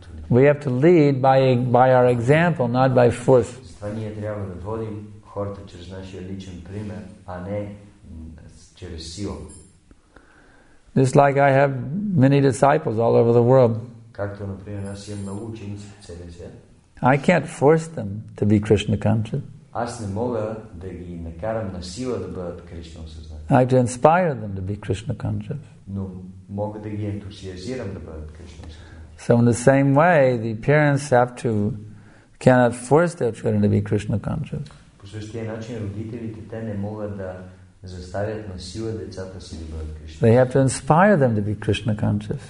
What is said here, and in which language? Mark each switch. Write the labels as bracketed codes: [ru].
[en] we have to lead by our example, not by force. [bg] Затова ние трябва да водим хората чрез нашия личен пример, а не чрез сила. [en] Just like I have many disciples all over the world. [bg] Както, например, аз имам много ученици в целия свят. [en] I can't force them to be Krishna conscious. [bg] Аз не мога да ги накарам на сила да бъдат Кришна осъзнати. [en] I can inspire them to be Krishna conscious. [bg] Но мога да ги ентусиазирам да бъдат Кришна осъзнати. [en] So in the same way, the parents have to cannot force their children to be Krishna conscious. [bg] По същия начин родителите те не могат да заставят на сила децата си да бъдат Кришна. [en] They have to inspire them to be Krishna conscious.